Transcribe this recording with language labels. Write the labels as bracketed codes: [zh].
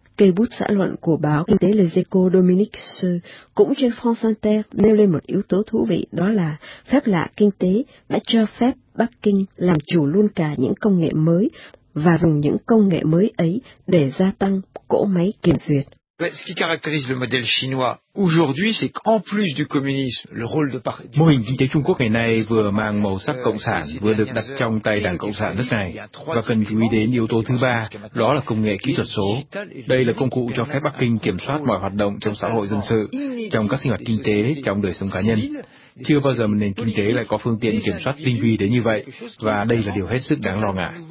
[vi] Cây bút xã luận của báo Kinh tế Les Echos Dominique Seu cũng trên France Inter nêu lên một yếu tố thú vị, đó là phép lạ kinh tế đã cho phép Bắc Kinh làm chủ luôn cả những công nghệ mới và dùng những công nghệ mới ấy để gia tăng cỗ máy kiểm duyệt. [fr] Ce qui caractérise le modèle chinois aujourd'hui, c'est qu'en plus du communisme, le rôle de parti. [vi] Mô hình kinh tế Trung Quốc ngày nay vừa mang màu sắc cộng sản, vừa được đặt trong tay Đảng Cộng sản nước này, và cần chú ý đến yếu tố thứ ba, đó là công nghệ kỹ thuật số. Đây là công cụ cho phép Bắc Kinh kiểm soát mọi hoạt động trong xã hội dân sự, trong các sinh hoạt kinh tế, trong đời sống cá nhân. Chưa bao giờ một nền kinh tế lại có phương tiện kiểm soát tinh vi đến như vậy, và đây là điều hết sức đáng lo ngại.